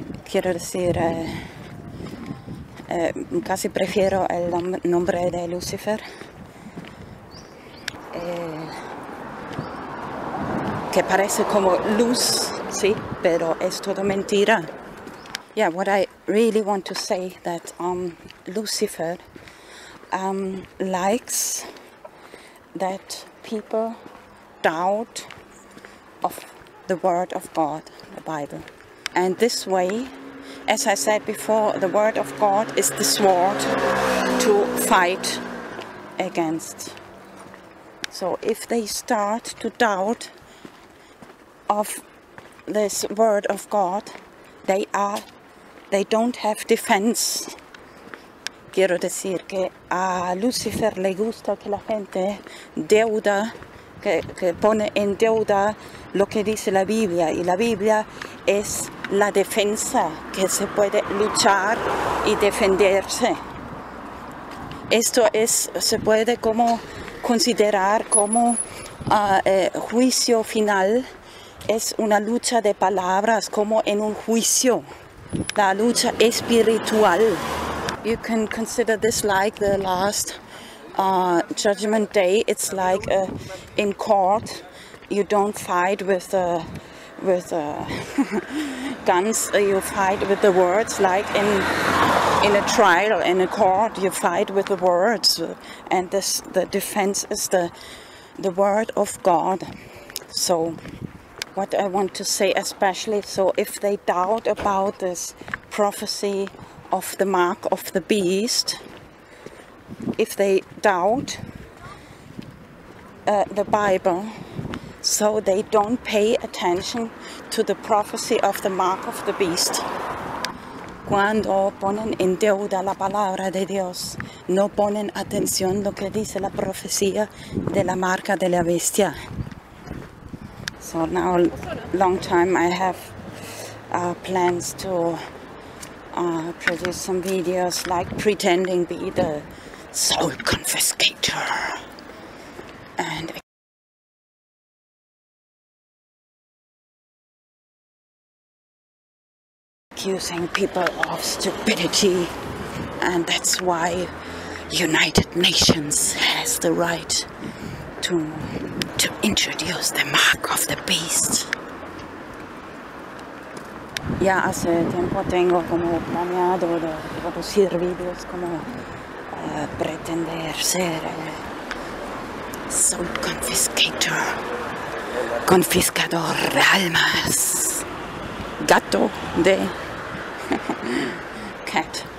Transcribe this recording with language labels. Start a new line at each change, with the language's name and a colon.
Spanish: Quiero decir, casi prefiero el nombre de Lucifer. Que parece como luz, sí, pero es todo mentira.
English: Yeah, what I really want to say that Lucifer likes that people doubt of the word of God, the Bible. And this way, as I said before, the word of God is the sword to fight against. So if they start to doubt of this word of God, they don't have defense.
Spanish: Quiero decir que a Lucifer le gusta que la gente deuda, que pone en deuda lo que dice la Biblia, y la Biblia es la defensa, que se puede luchar y defenderse. Esto es, se puede como considerar como juicio final. Es una lucha de palabras, como en un juicio, la lucha espiritual.
English: You can consider this like the last judgment day. It's like in court, you don't fight with guns, you fight with the words, like in a trial, in a court, you fight with the words, and this, the defense is the word of God. So what I want to say especially, so if they doubt about this prophecy of the mark of the beast, if they doubt the Bible, so they don't pay attention to the prophecy of the mark of the beast.
Spanish: Cuando ponen en deuda la palabra de Dios, no ponen atención lo que dice la profecía de la marca de la bestia.
English: So now, long time I have plans to produce some videos like pretending be the soul confiscator. And accusing people of stupidity, and that's why United Nations has the right to introduce the mark of the beast.
Spanish: Ya hace tiempo tengo como planeado de producir videos como pretender ser
English: soul confiscator,
Spanish: confiscador de almas, gato de cat.